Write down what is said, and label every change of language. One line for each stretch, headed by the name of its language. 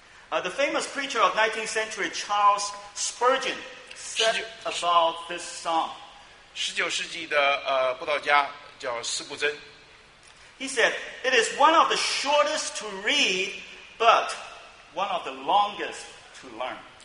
English: The famous preacher of 19th century Charles Spurgeon said about this psalm.
Chinese: 19世纪的布道家叫斯布珍。
English: He said it is one of the shortest to read, but one of the longest to learn.